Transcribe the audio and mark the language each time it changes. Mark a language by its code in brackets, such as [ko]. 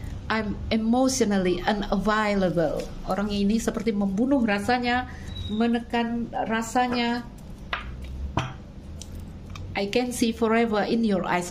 [en] I'm emotionally unavailable. [id] Orang ini seperti membunuh rasanya, menekan rasanya. [en] I can see forever in your eyes.